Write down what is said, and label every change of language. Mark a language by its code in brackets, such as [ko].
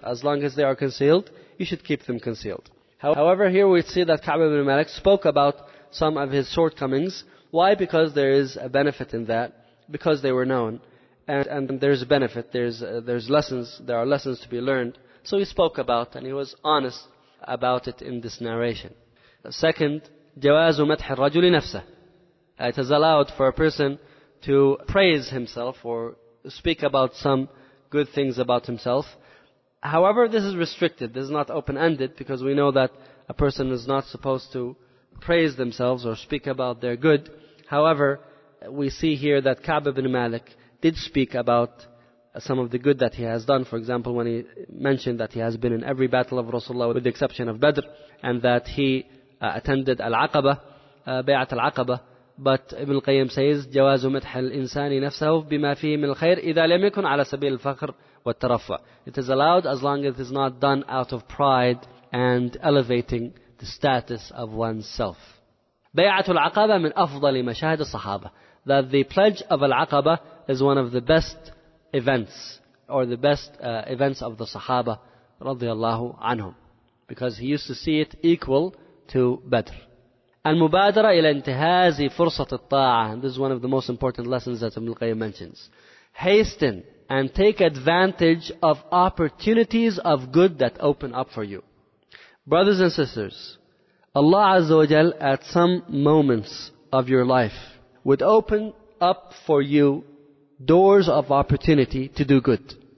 [en] As long as they are concealed, you should keep them concealed. However, here we see that Ka'b ibn Malik spoke about some of his shortcomings. Why? Because there is a benefit in that. Because they were known, and there's a benefit, there are lessons to be learned. So he spoke about, and he was honest about it in this narration. [ar] Second, جواز مدح الرجل نفسه. [en] It is allowed for a person to praise himself or speak about some good things about himself. However, this is restricted, this is not open-ended, because we know that a person is not supposed to praise themselves or speak about their good. However, we see here that Ka'b ibn Malik did speak about some of the good that he has done. For example, when he mentioned that he has been in every battle of Rasulullah with the exception of Badr, and that he attended Al-Aqaba, Bay'at Al-Aqaba. But Ibn al-Qayyim says, [ar] جَوَازُ مِدْحَ الْإِنسَانِ نَفْسَهُ بِمَا فِيهِ مِنْ الْخَيْرِ إِذَا لَمْ يَكُنْ عَلَى سَبِيلِ الْفَخْرِ وَالتَّرَفَّعِ [en] It is allowed as long as it is not done out of pride and elevating the status of oneself. [ar] بَيْعَةُ الْعَقَبَةِ مِنْ أَفْضَلِ مَشَاهِدِ الصَّحَابَةِ [en] That the pledge of Al-Aqaba is one of the best events, or the best events of the Sahaba, رضي الله عنهم. Because he used to see it equal to Badr. [ar] المبادرة إلى انتهاز فرصة الطاعة. [en] This is one of the most important lessons that Ibn al-Qayyim mentions. Hasten and take advantage of opportunities of good that open up for you. Brothers and sisters, Allah Azza wa Jal at some moments of your life would open up for you doors of opportunity to do good.